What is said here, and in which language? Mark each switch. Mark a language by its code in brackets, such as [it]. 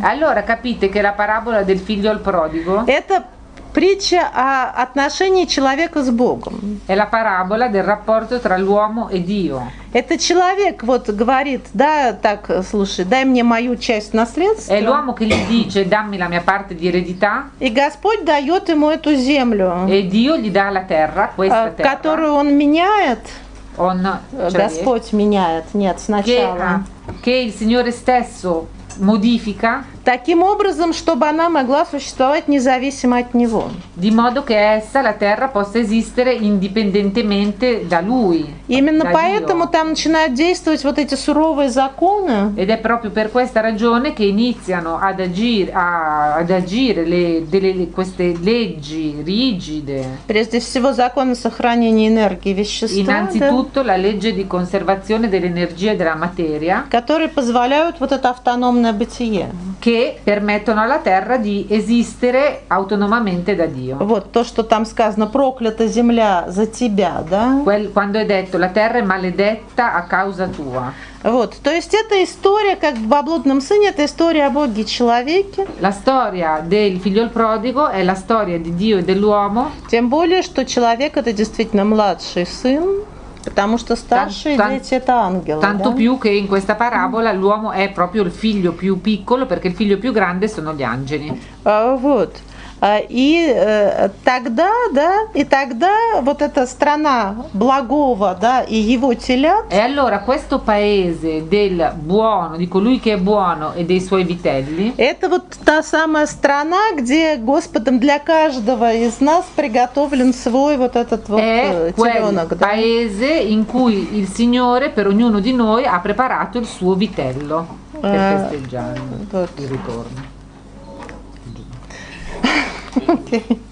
[it] Allora, capite che la parabola del figlio al prodigo? [ru] Это притча о отношении человека с Богом. [it] È la parabola del rapporto tra l'uomo e Dio. [ru] Это человек вот говорит, да, так, слушай, дай мне мою часть наследства. [it] È l'uomo che gli dice, dammi la mia parte di eredità. [ru] И Господь дает ему эту землю. [it] E Dio gli dà la terra, questa terra. [ru] Которую он меняет. Он Господь меняет, нет, сначала. [it] Che il Signore stesso modifica. [ru] таким образом, чтобы она могла существовать независимо от него. [it] Di modo che essa, la terra, possa esistere indipendentemente da lui. [ru] Именно поэтому там начинают действовать вот эти суровые законы. [it] Ed è proprio per questa ragione che iniziano ad agire queste leggi rigide. [ru] Прежде всего закон сохранения энергии вещества. [it] Innanzitutto la legge di conservazione dell'energia e della materia, [ru] которые позволяют вот это автономное бытие. [it] Che permettono alla terra di esistere autonomamente da Dio. [ru] Вот то, что там сказано, проклята земля за тебя, да? [it] Quando è detto la terra è maledetta a causa tua. [ru] Вот, то есть эта история, как в блудном сыне, это история о Боге и человеке. [it] La storia del figliol prodigo è la storia di Dio e dell'uomo. [ru] Тем более, что человек это действительно младший сын. Потому что старшие дети это ангелы. [it] Tanto [ru] да? [it] più che in questa parabola l'uomo è proprio il figlio più piccolo, perché il figlio più grande sono gli angeli. [ru] Вот. И тогда, да, и тогда вот эта страна благого, да, и его телят. [it] E allora questo paese del buono, di colui che è buono e dei suoi vitelli. [ru] Это вот та самая страна, где Господом для каждого из нас приготовлен свой вот этот вот теленок. [it] È quel paese in cui il Signore per ognuno di noi ha preparato il suo vitello per festeggiare il ritorno.